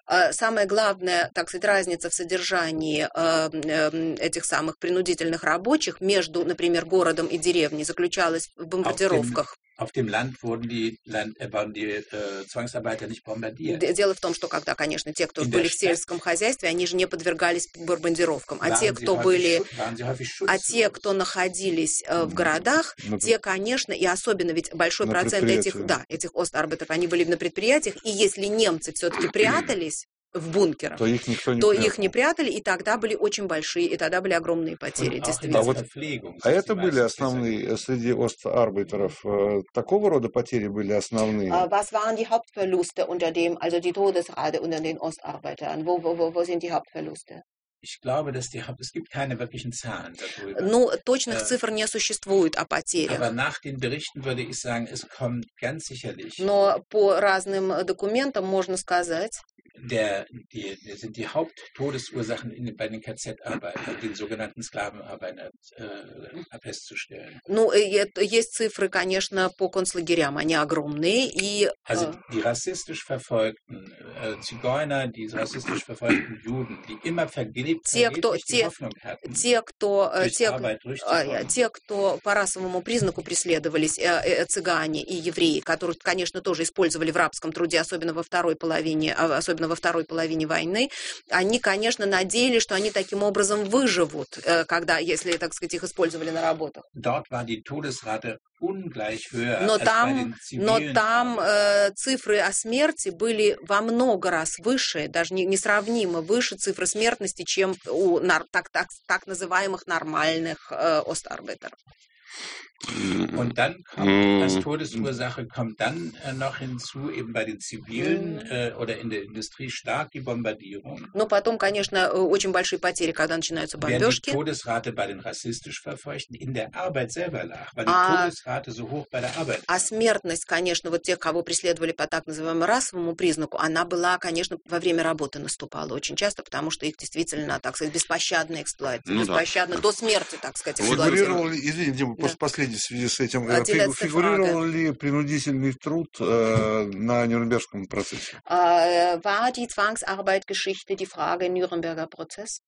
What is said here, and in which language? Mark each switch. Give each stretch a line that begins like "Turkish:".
Russian: Самое главное, так сказать, разница в содержании этих самых принудительных рабочих между, например, городом и деревней заключалась в бомбардировках.
German: Auf dem Land wurden die, Zwangsarbeiter nicht bombardiert.
Russian: Дело в том, что когда, конечно, те, кто были в сельском хозяйстве, они же не подвергались бомбардировкам. А те, кто были, а те, кто находились в городах, те, конечно, и особенно ведь большой процент этих, да, этих остарбайтеров, они были на предприятиях, и если немцы все-таки прятались в бункерах, то, их, никто не то их не прятали, и тогда были очень большие, и тогда были огромные потери, действительно. А это были основные среди остарбайтеров? Такого рода потери были основные?
German: Was waren die Hauptverluste unter dem, also die Todesrate unter den Ostarbeitern? Wo sind die Hauptverluste? Ich glaube, dass die es gibt keine wirklichen Zahlen darüber.
Russian: Ну, точных цифр не существует о потерях.
German: Aber nach den Berichten würde ich sagen, es kommt ganz sicherlich.
Russian: Но по разным документам можно сказать.
German: Die sind die Haupttodesursachen bei den KZ-Arbeitern, den sogenannten Sklavenarbeitern festzustellen.
Russian: Ну, есть цифры, конечно, по концлагерям, они огромные. И,
German: also die rassistisch verfolgten Zigeuner, die rassistisch verfolgten Juden, die immer vergeblich die Hoffnung hatten, durch Arbeit durchzukommen.
Russian: Те, кто по расовому признаку преследовались, цыгане и евреи, которых, конечно, тоже использовали в рабском труде, особенно во второй половине, особенно во второй половине войны, они, конечно, надеялись, что они таким образом выживут, когда, если, так сказать, их использовали на работах. Но там цифры о смерти были во много раз выше, даже несравнимо выше цифры смертности, чем у так называемых нормальных остарбайтеров.
German: Und dann kommt als Todesursache kommt dann noch hinzu eben bei den Zivilen oder in der Industrie stark die Bombardierung.
Russian: Но потом, конечно, очень большие потери, когда начинаются бомбежки.
German: Die Todesrate bei den rassistisch Verfolgten in der Arbeit selber lag, weil die Todesrate so hoch bei der Arbeit.
Russian: А смертность, конечно, вот тех, кого преследовали по так называемому расовому признаку, она была, конечно, во время работы наступала очень часто, потому что их действительно, так сказать, беспощадно эксплуатировали, беспощадно до смерти, так сказать, эксплуатировали. Извините, последний в связи с этим, фигурировал ли принудительный труд на Нюрнбергском процессе?
German: War die Zwangsarbeit-Geschichte die Frage Nürnberger Prozess?